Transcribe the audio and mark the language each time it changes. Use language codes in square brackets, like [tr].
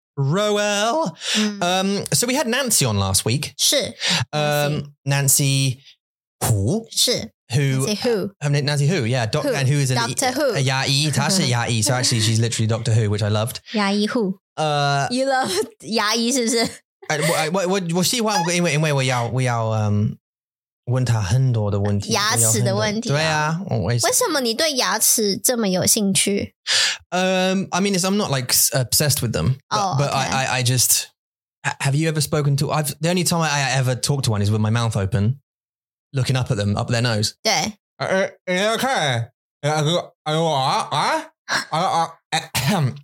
[en] Roel. So we had Nancy on last week. [zh] 是. [en] Nancy Hu. [zh] 是. [en] Nancy Hu, yeah. Doctor Hu. [zh] A Ya'i. 她是 Ya'i. [en] So actually she's literally Doctor Who, which I loved. Ya'i Hu. You love Ya'i, [zh] 是不是? 我喜欢因为我要问他很多的问题牙齿的问题对啊为什么你对牙齿这么有兴趣 [en] I mean I'm not like obsessed with them but、okay. I just have you ever spoken to I've the only time I ever talk to one is with my mouth open looking up at them up their nose [zh] 对 [en] Are you okay?